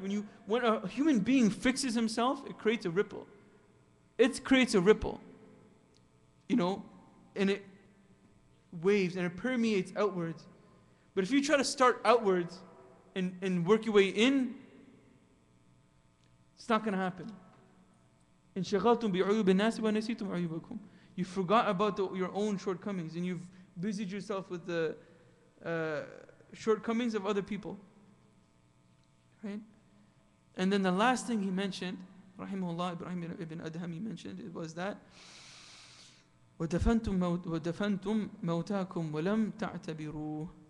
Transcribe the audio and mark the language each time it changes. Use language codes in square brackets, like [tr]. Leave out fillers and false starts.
[en] When a human being fixes himself, it creates a ripple. It creates a ripple, you know, and it waves and it permeates outwards. But if you try to start outwards and work your way in, it's not going to happen. [ar] انشغلتم بعيوب الناس ونسيتم عيوبكم. [en] You forgot about your own shortcomings and you've busied yourself with the shortcomings of other people. Right? And then the last thing he mentioned, Rahimullah, Ibrahim ibn Adham, he mentioned it, was that [ar] وَدَفَنْتُمْ مَوْتَاكُمْ وَلَمْ تَعْتَبِرُوهُ.